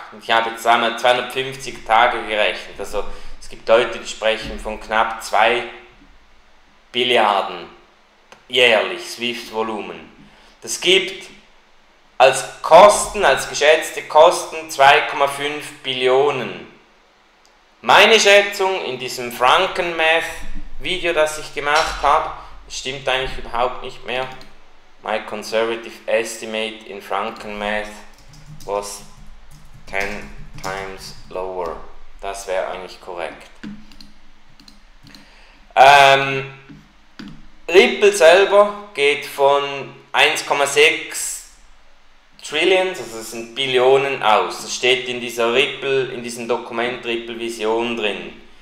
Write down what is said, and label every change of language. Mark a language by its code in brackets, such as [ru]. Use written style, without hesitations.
[de] Und ich habe jetzt einmal 250 Tage gerechnet. Also es gibt Leute, die sprechen von knapp 2 Billiarden jährlich, SWIFT-Volumen. Das gibt als Kosten, als geschätzte Kosten 2,5 Billionen. Meine Schätzung in diesem Franken-Math-Video, das ich gemacht habe, stimmt eigentlich überhaupt nicht mehr. [en] My conservative estimate in Franken-Math was 10 times lower. [de] Das wäre eigentlich korrekt. Ripple selber geht von 1,6 Trillions, also das sind Billionen aus. Das steht in dieser Ripple, in diesem Dokument Ripple Vision drin.